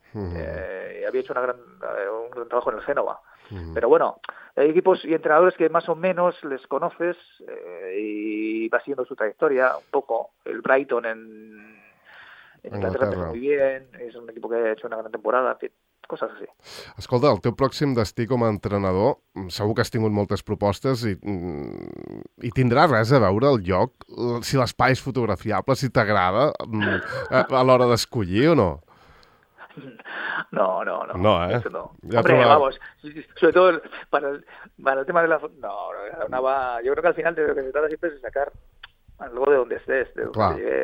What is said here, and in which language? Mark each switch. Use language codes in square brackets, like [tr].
[es] Había hecho un gran trabajo en el Génova. Pero bueno, hay equipos y entrenadores que más o menos les conoces y vas siguiendo su trayectoria un poco. El Brighton En Anglaterra empezó muy bien, es un equipo que ha hecho una gran temporada, cosas así. [ca] Escolta, el teu pròxim destí com a entrenador, segur que has tingut moltes propostes i tindrà res a veure el lloc, si l'espai és fotografiable, si t'agrada, a l'hora d'escollir o no? [es] No. No, eso no. Ya hombre, trobar... vamos, sobre todo para el tema de la... No, una va... yo creo que al final de lo que se trata siempre es sacar algo de donde estés, de donde claro.